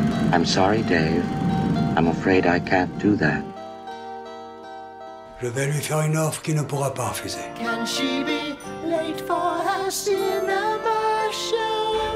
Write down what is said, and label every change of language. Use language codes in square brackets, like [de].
[en] I'm sorry, Dave. I'm afraid I can't do that. [fr] Je vais lui faire une offre qu'il ne pourra pas refuser. [en] Can she be late for her cinema show?